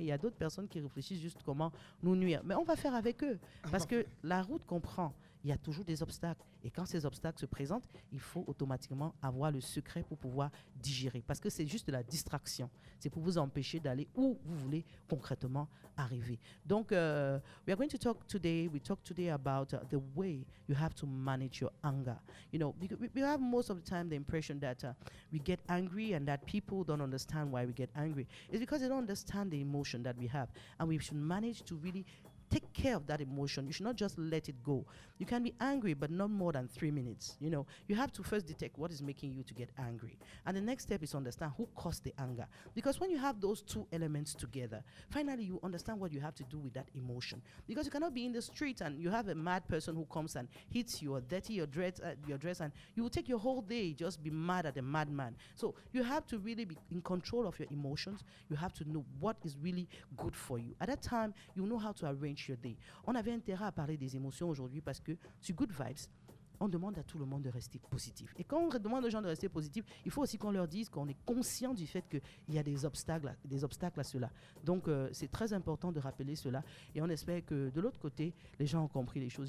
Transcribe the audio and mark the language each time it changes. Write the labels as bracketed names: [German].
[French] Il y a d'autres personnes qui réfléchissent juste comment nous nuire. Mais on va faire avec eux. Parce que la route qu'on prend, il y a toujours des obstacles. Et quand ces obstacles se présentent, il faut automatiquement avoir le secret pour pouvoir digérer. Parce que c'est juste de la distraction. C'est pour vous empêcher d'aller où vous voulez concrètement arriver. Donc, [English] we are going to talk today. We talk today about the way you have to manage your anger. You know, we have most of the time the impression that we get angry and that people don't understand why we get angry. It's because they don't understand the emotion that we have. And we should manage to really take care of that emotion. You should not just let it go. You can be angry, but not more than 3 minutes. You know, you have to first detect what is making you to get angry. And the next step is to understand who caused the anger. Because when you have those two elements together, finally you understand what you have to do with that emotion. Because you cannot be in the street and you have a mad person who comes and hits you or dirty your dress, and you will take your whole day just be mad at a madman. So you have to really be in control of your emotions. You have to know what is really good for you. At that time, you know how to arrange your day. [French] On avait intérêt à parler des émotions aujourd'hui parce que sur Good Vibes, on demande à tout le monde de rester positif. Et quand on demande aux gens de rester positif, il faut aussi qu'on leur dise qu'on est conscient du fait qu'il y a des obstacles à cela. Donc, c'est très important de rappeler cela et on espère que de l'autre côté, les gens ont compris les choses.